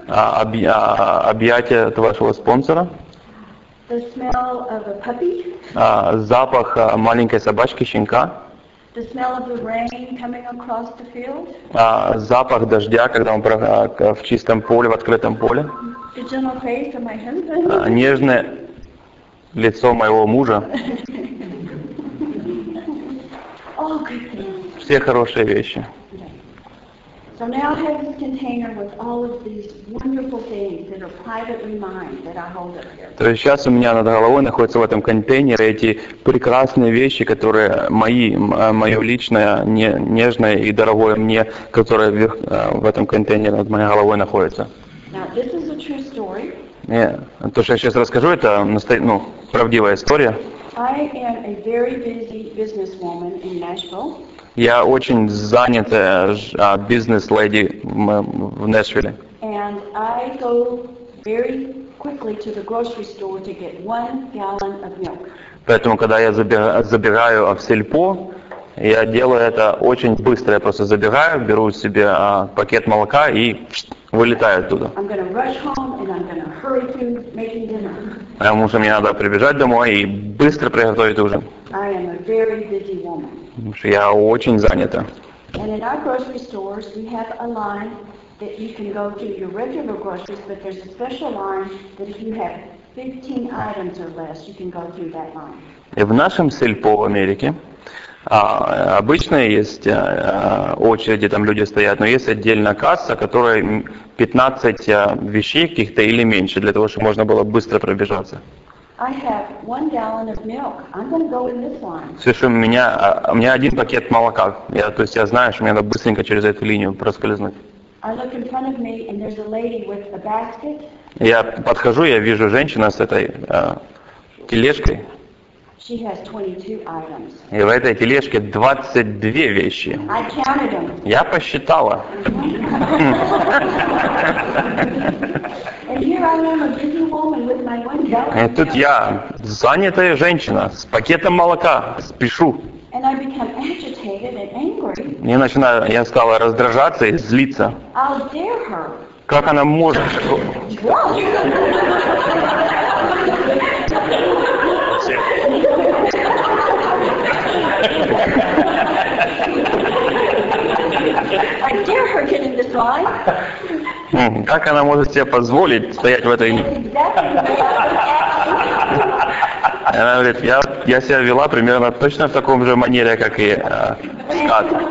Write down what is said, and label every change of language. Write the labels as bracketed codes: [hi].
[ru] Объятие от вашего спонсора. [en] The smell of a puppy. [ru] Запах маленькой собачки, щенка. [en] The smell of the rain coming across the field. [ru] Запах дождя, когда он в чистом поле, в открытом поле. [en] The gentle face of my husband. [ru] Нежное лицо моего мужа. [en] All good things. [ru] Все хорошие вещи. [en] So now I have this container with all of these wonderful things that are privately mine that I hold up here. [ru] То есть сейчас у меня над головой находится в этом контейнере эти прекрасные вещи, которые мои, мое личное, нежное и дорогое мне, которое в этом контейнере над моей головой находится. [en] Now this is a true story. [ru] Нет, то, что я сейчас расскажу, это правдивая история. [en] I am a very busy businesswoman in Nashville. [ru] Я очень занятая бизнес-леди в Нэшвилле. [en] And I go very quickly to the grocery store to get 1 gallon of milk. [ru] Поэтому, когда я забегаю в сельпо, я делаю это очень быстро. Я просто забегаю, беру себе пакет молока и вылетаю оттуда. [en] I'm gonna rush home and I'm gonna hurry to making dinner. [ru] Потому что мне надо прибежать домой и быстро приготовить ужин. [en] I am a very busy woman. [ru] Потому что я очень занята. [en] And in our grocery stores we have a line that you can go to your regular groceries, but there's a special line that if you have 15 items or less, you can go through that line. [ru] И в нашем сельпо в Америке обычно есть очереди, там люди стоят, но есть отдельная касса, которая 15 вещей каких-то или меньше, для того, чтобы можно было быстро пробежаться. [en] I have 1 gallon of milk. I'm going to go in this line. [ru] Слушай, у меня один пакет молока. То есть я знаю, что мне надо быстренько через эту линию проскользнуть. [en] I look in front of me and there's a lady with a basket. [ru] Я подхожу, я вижу женщину с этой тележкой. [en] She has 22 items. [ru] И в этой тележке 22 вещи. [en] I counted them. [ru] Я посчитала. [en] And here I am, a busy woman with my 1 gallon. [ru] И тут я занятая женщина с пакетом молока, спешу. [en] And I become agitated and angry. [ru] Я стала раздражаться и злиться. [en] I'll dare her. [ru] Как она может? [en] I dare her get in this line. [ru] Как она может себе позволить стоять в этой... [en] Exactly. [ru] Она говорит, я себя вела примерно точно в таком же манере, как и Скат.